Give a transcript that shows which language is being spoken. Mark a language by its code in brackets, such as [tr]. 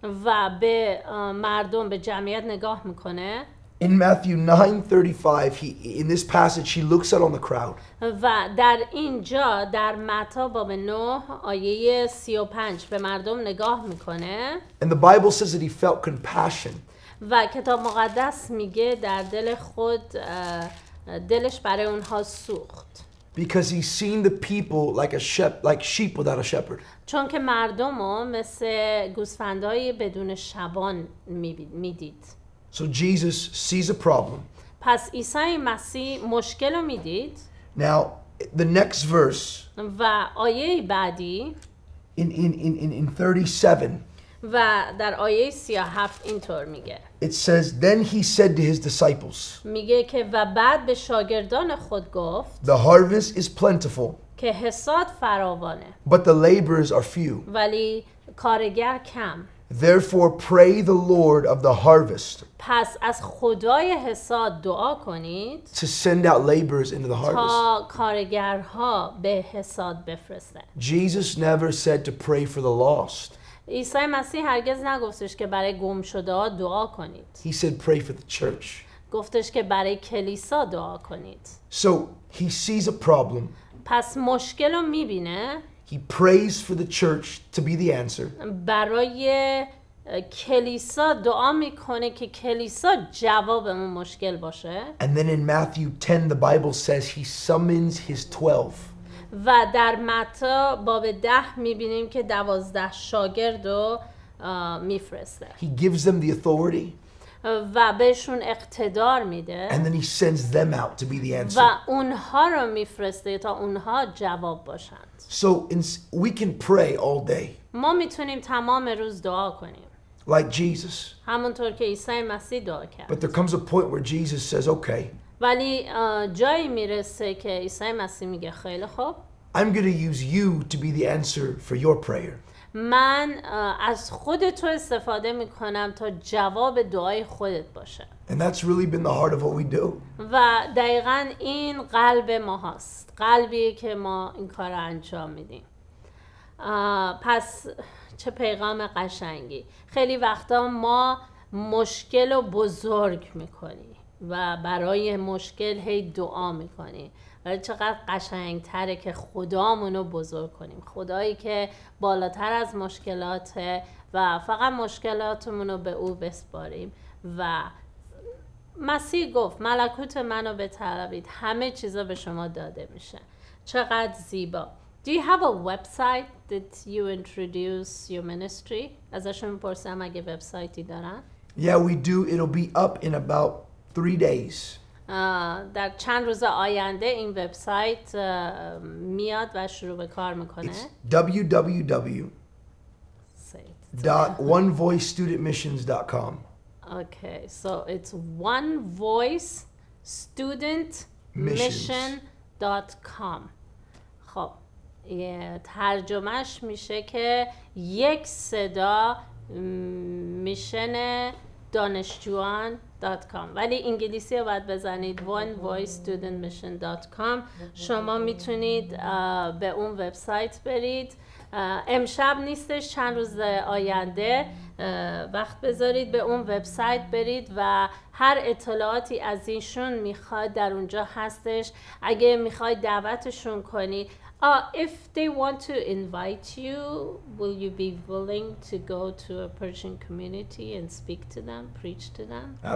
[fa] و به مردم به جمعیت نگاه میکنه. [en] In Matthew 9:35, in this passage, he looks out on the crowd. [fa] و در اینجا در متا باب 9 آیه 35 به مردم نگاه میکنه. [en] And the Bible says that he felt compassion. [fa] و کتاب مقدس میگه در دل خود دلش برای اونها سوخت. [en] Because he's seen the people like sheep without a shepherd. [fa] چون که مردم رو مثل گوسفندهای بدون شبان میدید. [en] So Jesus sees a problem. [fa] پس عیسی مسیح مشکل رو میدید. [en] Now the next verse. [fa] و آیه بعدی. [en] In 37. [fa] و در آیه 37 اینطور میگه. [en] It says, then he said to his disciples. [fa] میگه که و بعد به شاگردان خود گفت. [en] The harvest is plentiful. [fa] که حصاد فراوانه. [en] But the laborers are few. [fa] ولی کارگر کم. [en] Therefore, pray the Lord of the harvest. [fa] پس از خدای حصاد دعا کنید. [en] To send out laborers into the harvest. [fa] تا کارگرها به حصاد بفرسته. [en] Jesus never said to pray for the lost. [fa] عیسی مسیح هرگز نگفتش که برای گم شده ها دعا کنید. [en] He said pray for the church. [fa] گفتش که برای کلیسا دعا کنید. [en] So he sees a problem. [fa] پس مشکل رو میبینه. [en] He prays for the church to be the answer. [fa] برای کلیسا دعا میکنه که کلیسا جواب اون مشکل باشه. [en] And then in Matthew 10 the Bible says he summons his 12. [fa] و در متا باب 10 میبینیم که 12 شاگرد رو میفرسته. [en] He gives them the authority. [fa] و بهشون اقتدار میده. [en] And then he sends them out to be the answer. [fa] و اونها رو میفرسته تا اونها جواب باشند. [en] So we can pray all day. [fa] ما میتونیم تمام روز دعا کنیم. [en] Like Jesus. [fa] همونطور که عیسی مسیح دعا کرد. [en] But there comes a point where Jesus says, okay. [fa] ولی جایی میرسه که عیسی مسیح میگه خیلی خوب. [en] I'm going to use you to be the answer for your prayer. [fa] من از خود تو استفاده میکنم تا جواب دعای خودت باشه. [en] And that's really been the heart of what we do. [fa] و دقیقاً این قلب ما هست. قلبی که ما این کار رو انجام میدیم. پس چه پیغام قشنگی. خیلی وقتا ما مشکل رو بزرگ میکنیم. و برای مشکل هی دعا میکنی. ولی چقدر قشنگ تره که خدامون رو بزرگ کنیم. خدایی که بالاتر از مشکلاته و فقط مشکلاتمون رو به او بسپاریم. و مسیح گفت ملکوت منو بطلبید همه چیزا به شما داده میشه. چقدر زیبا. [en] Do you have a website that you introduce your ministry? [fa] ازشون میپرسم اگه وبسایتی دارن. [en] Yeah, we do. It'll be up in about 3 days. [fa] در چند روز آینده این وبسایت میاد و شروع به کار میکنه. [en] www.onevoicestudentmissions.com. Okay, so it's onevoicestudentmission.com. [fa] خب ترجمهش میشه که یک صدا میشن دانشجوان.com ولی انگلیسی رو باید بزنید onevoicestudentmission.com. شما میتونید به اون وبسایت برید. امشب نیستش، چند روز آینده وقت بذارید به اون وبسایت برید و هر اطلاعاتی از اینشون میخواد در اونجا هستش. اگه میخواید دعوتشون کنی، [en] if they want to invite you, will you be willing to go to a Persian community and speak to them, preach to them?